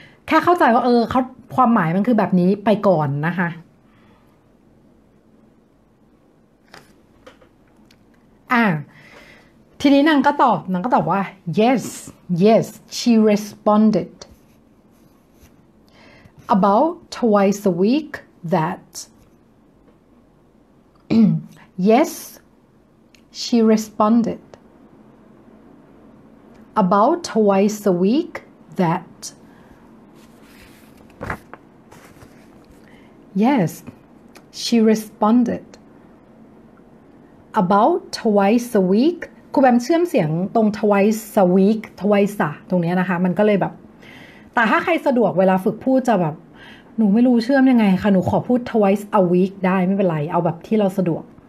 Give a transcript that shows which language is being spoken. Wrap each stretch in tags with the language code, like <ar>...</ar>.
<th>แค่เข้าใจว่าเออเขาความหมายมันคือแบบนี้ไปก่อนนะคะทีนี้นางก็ตอบว่า</th> <en>yes yes she responded about twice a weekThat yes, she responded about twice a week. That yes, she responded about twice a week.</en> <th>ครูแบมเชื่อมเสียงตรง</th> <en>twice a week twice</en> <th>อะตรงนี้นะคะมันก็เลยแบบแต่ถ้าใครสะดวกเวลาฝึกพูดจะแบบหนูไม่รู้เชื่อมยังไงค่ะหนูขอพูด</th> <en>twice a week</en> <th>ได้ไม่เป็นไรเอาแบบที่เราสะดวก</th>